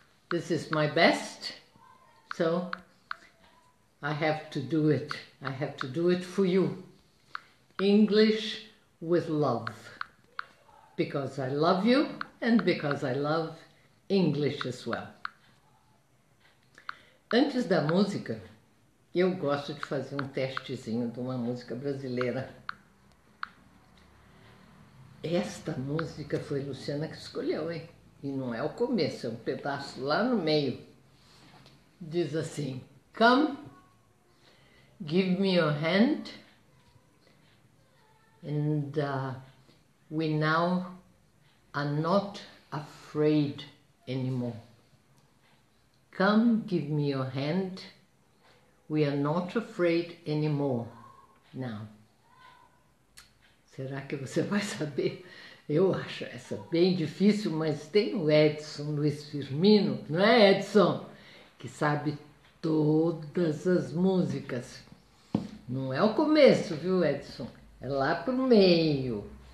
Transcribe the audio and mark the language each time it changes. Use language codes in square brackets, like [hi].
[en] This is my best. So I have to do it. I have to do it for you. English with love. Because I love you and because I love English as well. [pt] Antes da música, eu gosto de fazer testezinho de uma música brasileira. Esta música foi Luciana que escolheu, hein? E não é o começo, é um pedaço lá no meio. Diz assim: [en] come, give me your hand, and we now are not afraid anymore. Come, give me your hand, we are not afraid anymore now. [pt] Será que você vai saber? Eu acho essa bem difícil, mas tem o Edson Luiz Firmino, não é, Edson? Que sabe todas as músicas. Não é o começo, viu, Edson? É lá pro meio.